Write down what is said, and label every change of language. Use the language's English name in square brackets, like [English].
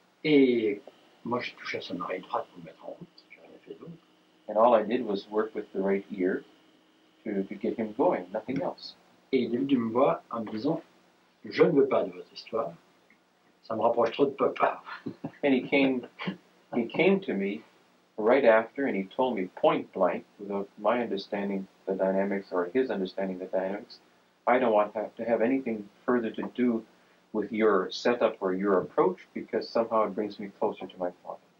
[French] Et moi, j'ai touché à son oreille droite pour le mettre en route. J'ai rien fait d'autre. [English] And all I did was work with the right ear to get him going, nothing else. [French] Et il est venu me voir en me disant, je ne veux pas de votre histoire, ça me rapproche trop de papa. [English] And he came to me right after and he told me point blank, without my understanding the dynamics or his understanding the dynamics, I don't want to have anything further to do with your setup or your approach, because somehow it brings me closer to my father.